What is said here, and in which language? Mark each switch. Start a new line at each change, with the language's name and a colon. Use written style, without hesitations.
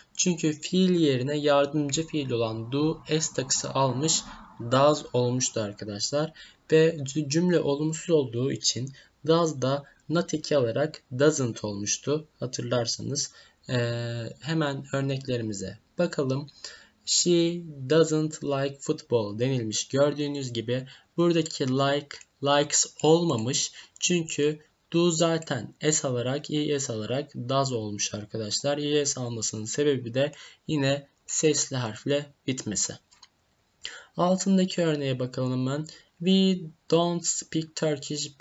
Turkish: Çünkü fiil yerine yardımcı fiil olan do s takısı almış, does olmuştu arkadaşlar. Ve cümle olumsuz olduğu için does da not eki alarak doesn't olmuştu hatırlarsanız. Hemen örneklerimize bakalım.
English: She doesn't like football
Turkish: denilmiş. Gördüğünüz gibi buradaki likes olmamış. Çünkü do zaten s alarak, es alarak does olmuş arkadaşlar. Es almasının sebebi de yine sesli harfle bitmesi. Altındaki örneğe bakalım hemen.
English: We don't speak Turkish.